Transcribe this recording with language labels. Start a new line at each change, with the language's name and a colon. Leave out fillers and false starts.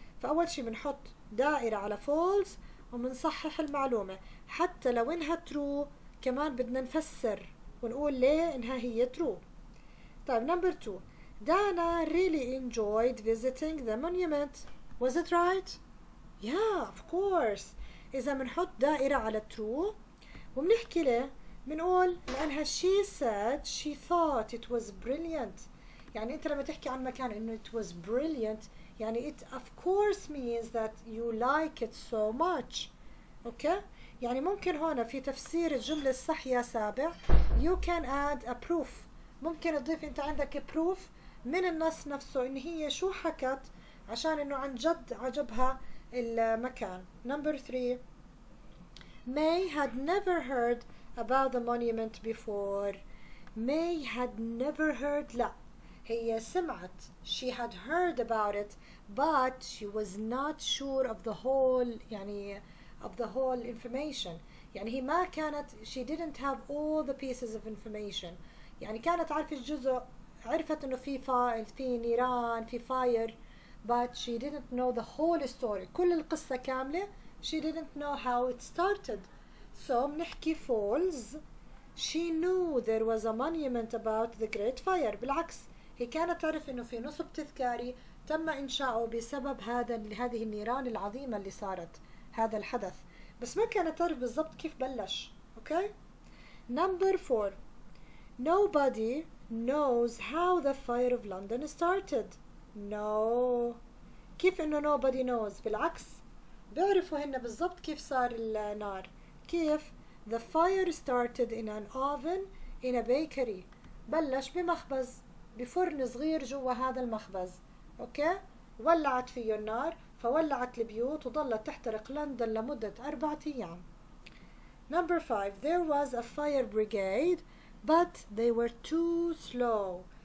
Arabic: فأول شيء بنحط دائرة على false ومنصحح المعلومة، حتى لو إنها true كمان بدنا نفسر ونقول ليه إنها هي true. طيب
English: number two, Dana really enjoyed visiting the monument. Was it right? Yeah, of course.
Arabic: إذا منحط دائرة على true ومنحكي له منقول لأنها
English: she said she thought it was brilliant.
Arabic: يعني أنت لما تحكي عن مكان إنه
English: it was brilliant
Arabic: يعني
English: it of course means that you like it so much.
Arabic: Okay؟ يعني ممكن هنا في تفسير الجملة الصح يا سابع
English: you can add a proof.
Arabic: ممكن تضيف أنت عندك proof من النص نفسه إن هي شو حكت عشان إنه عن جد عجبها المكان.
English: Number three, May had never heard about the monument before. May had never heard.
Arabic: لا هي سمعت.
English: She had heard about it, but she was not sure of the whole
Arabic: يعني
English: of the whole information.
Arabic: يعني هي ما كانت
English: she didn't have all the pieces of information.
Arabic: يعني كانت عارفة الجزء، عرفت إنه في فايل، في نيران، في فاير،
English: but she didn't know the whole story.
Arabic: كل القصة كاملة
English: she didn't know how it started. So
Arabic: منحكي
English: false. She knew there was a monument about the great fire.
Arabic: بالعكس هي كانت تعرف إنه في نصب تذكاري تم إنشاؤه بسبب هذه النيران العظيمة اللي صارت هذا الحدث، بس ما كانت تعرف بالضبط كيف بلش.
English: Okay. Number four. Nobody knows how the fire of London started. No.
Arabic: كيف إنه
English: nobody knows؟
Arabic: بالعكس بيعرفوا هن بالضبط كيف صار النار. كيف؟
English: The fire started in an oven in a bakery.
Arabic: بلش بمخبز، بفرن صغير جوا هذا المخبز. أوكي؟ ولعت فيه النار، فولعت البيوت وظلت تحترق لندن لمدة 4 أيام.
English: Number five. There was a fire brigade, but they were too slow.